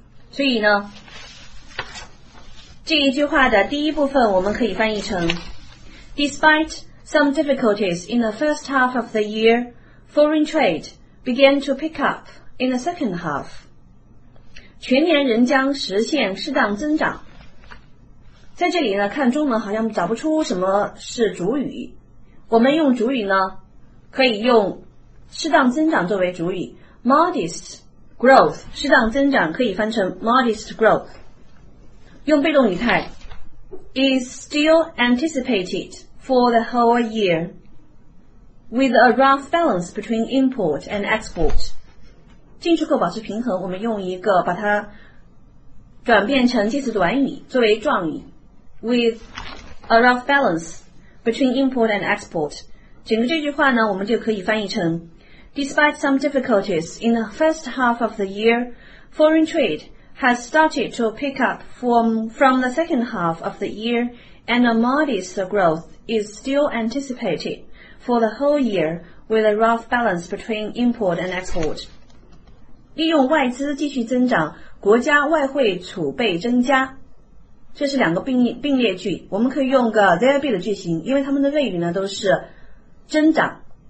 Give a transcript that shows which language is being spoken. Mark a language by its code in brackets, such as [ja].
[zh] 所以呢，这一句话的第一部分我们可以翻译成 [en] Despite some difficulties in the first half of the year, foreign trade began to pick up in the second half. [zh] 全年仍将实现适当增长。在这里呢，看中文好像找不出什么是主语，我们用主语呢可以用适当增长作为主语， modest growth， 适当增长可以翻成 modest growth。用被动语态 [en] is still anticipated for the whole year with a rough balance between import and export， [zh] 进出口保持平衡，我们用一个把它转变成介词短语作为状语， [en] with a rough balance between import and export。 [zh] 整个这句话呢，我们就可以翻译成 [en] Despite some difficulties in the first half of the year, foreign trade has started to pick up from the second half of the year, and a modest growth is still anticipated for the whole year with a rough balance between import and export. [zh] 利用外资继续增长，国家外汇储备增加。这是两个并列句，我们可以用个 there be 的句型，因为它们的谓语呢都是增长。